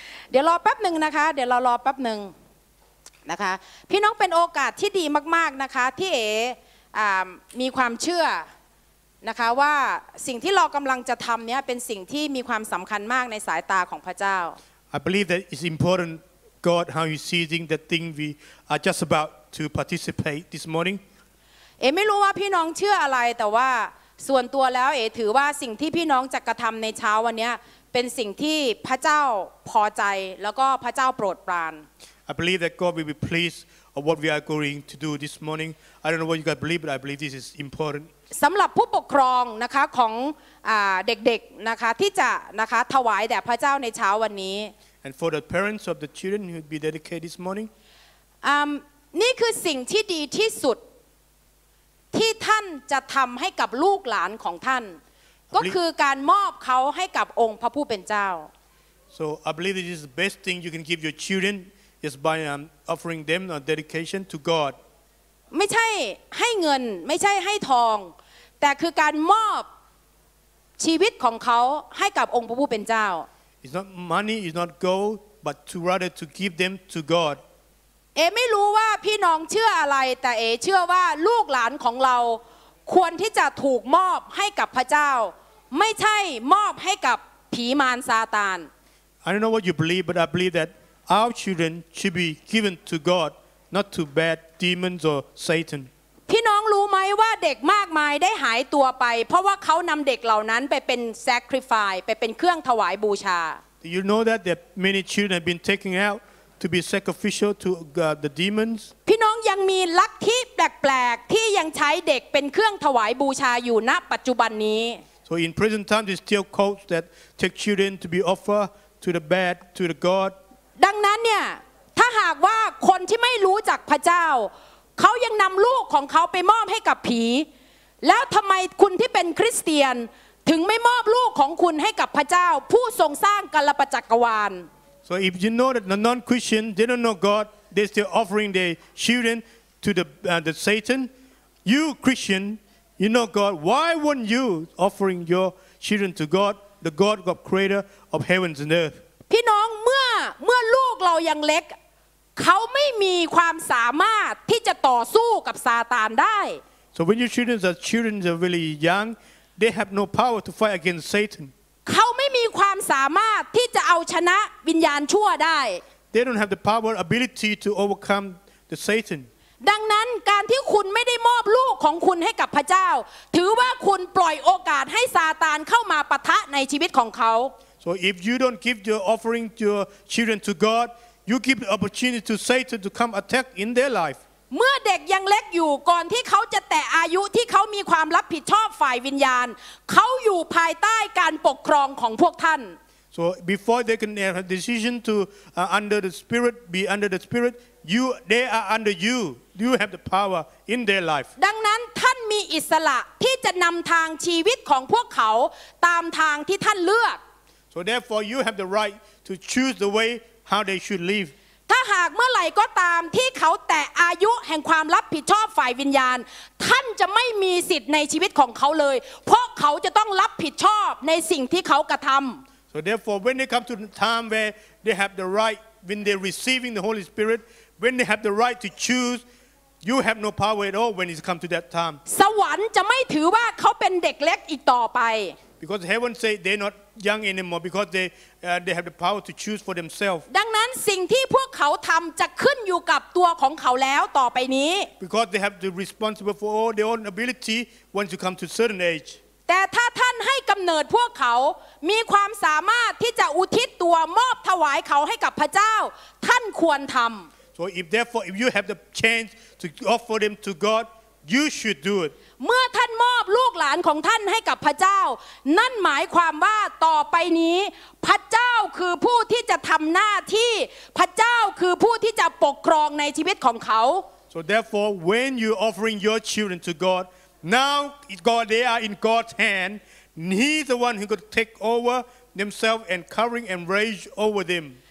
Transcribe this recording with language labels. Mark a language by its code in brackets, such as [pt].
[th] เดี๋ยวรอแป๊บนึงนะคะ. เดี๋ยวรอแป๊บนึงนะคะ. พี่น้องเป็นโอกาสที่ดีมากๆนะคะ.ที่เอมีความเชื่อนะคะว่าสิ่งที่เรากำลังจะทำเนี่ยเป็นสิ่งที่มีความสำคัญมากในสายตาของพระเจ้า [en] I believe that it's important God how you see things the thing we are just about to participate this morning [th] เอไม่รู้ว่าพี่น้องเชื่ออะไรแต่ว่าส่วนตัวแล้วเอถือว่าสิ่งที่พี่น้องจะกระทำในเช้าวันนี้เป็นสิ่งที่พระเจ้าพอใจแล้วก็พระเจ้าโปรดปราน [en] I believe that God will be pleased of what we are going to do this morning I don't know what you guys believe but I believe this is important [th] สำหรับผู้ปกครองนะคะของเด็กๆนะคะที่จะนะคะถวายแด่พระเจ้าในเช้าวันนี้ [en] And for the parents of the children who would be dedicated this morning [th] นี่คือสิ่งที่ดีที่สุดที่ท่านจะทำให้กับลูกหลานของท่านก็คือการมอบเขาให้กับองค์พระผู้เป็นเจ้า [en] So I believe this is the best thing you can give your children is by offering them a dedication to God [th] ไม่ใช่ให้เงินไม่ใช่ให้ทองแต่คือการมอบชีวิตของเขาให้กับองค์พระผู้เป็นเจ้า [en] It's not money it's not gold but to rather to give them to God [th] เอไม่รู้ว่าพี่น้องเชื่ออะไรแต่เอเชื่อว่าลูกหลานของเราควรที่จะถูกมอบให้กับพระเจ้าไม่ใช่มอบให้กับผีมารซาตาน [en] I don't know what you believe but I believe that our children should be given to GodNot to bad demons or Satan. [th] พี่น้องรู้ไหมว่าเด็กมากมายได้หายตัวไปเพราะว่าเขานำเด็กเหล่านั้นไปเป็น sacrifice ไปเป็นเครื่องถวายบูชา [en] Do you know that there are many children have been taken out to be sacrificial to the demons? [th] พี่น้องยังมีลัทธิแปลกๆที่ยังใช้เด็กเป็นเครื่องถวายบูชาอยู่ณปัจจุบันนี้ [en] So in present time, there's still cults that take children to be offered to the bad to the god. [th] ดังนั้นเนี่ยถ้าหากว่าคนที่ไม่รู้จักพระเจ้าเขายังนำลูกของเขาไปมอบให้กับผีแล้วทำไมคุณที่เป็นคริสเตียนถึงไม่มอบลูกของคุณให้กับพระเจ้าผู้ทรงสร้างกัลปจักรวาล [en] So if you know that the non-Christian they don't know God they're still offering their children to the Satan you Christian, you know God, why weren't you offering your children to God, the God of creator of heavens and earth? [th] พี่น้องเมื่อลูกเรายังเล็กเขาไม่มีความสามารถที่จะต่อสู้กับซาตานได้ [en] So when your children are really young, they have no power to fight against Satan. [th] เขาไม่มีความสามารถที่จะเอาชนะวิญญาณชั่วได้ [en] They don't have the power ability to overcome the Satan. [th] ดังนั้นการที่คุณไม่ได้มอบลูกของคุณให้กับพระเจ้าถือว่าคุณปล่อยโอกาสให้ซาตานเข้ามาปะทะในชีวิตของเขา [en] So if you don't give your offering your children to God, you give the opportunity to Satan to come attack in their life. [th] เมื่อเด็กยังเล็กอยู่ก่อนที่เขาจะแต่อายุที่เขามีความรับผิดชอบฝ่ายวิญญาณเขาอยู่ภายใต้การปกครองของพวกท่าน [en] So before they can have a decision to under the spirit, be under the spirit, they are under you. You have the power in their life. [th] ดังนั้นท่านมีอิสระที่จะนำทางชีวิตของพวกเขาตามทางที่ท่านเลือก [en] So therefore you have the right to choose the way how they should live. [th] ถ้าหากเมื่อไหร่ก็ตามที่เขาแตะอายุแห่งความรับผิดชอบฝ่ายวิญญาณท่านจะไม่มีสิทธิ์ในชีวิตของเขาเลยเพราะเขาจะต้องรับผิดชอบในสิ่งที่เขากระทำ [en] So therefore, when they come to the time where they have the right, when they're receiving the Holy Spirit, when they have the right to choose, you have no power at all when it comes to that time. [th] สวรรค์จะไม่ถือว่าเขาเป็นเด็กเล็กอีกต่อไป [en] Because heaven say they're not young anymore because they have the power to choose for themselves. [th] ดังนั้นสิ่งที่พวกเขาทำจะขึ้นอยู่กับตัวของเขาแล้วต่อไปนี้ [en] Because they have the responsibility for all their own ability once you come to a certain age. [th] แต่ถ้าท่านให้กำเนิดพวกเขามีความสามารถที่จะอุทิศตัวมอบถวายเขาให้กับพระเจ้าท่านควรทำ [en] So if therefore if you have the chance to offer them to God you should do it [th] เมื่อท่านมอบลูกหลานของท่านให้กับพระเจ้านั่นหมายความว่าต่อไปนี้พระเจ้าคือผู้ที่จะทำหน้าที่พระเจ้าคือผู้ที่จะปกครองในชีวิตของเขา [en] So therefore when you offering your children to GodNow God, they are in God's hand. He's the one who could take over themselves and covering and rage over them.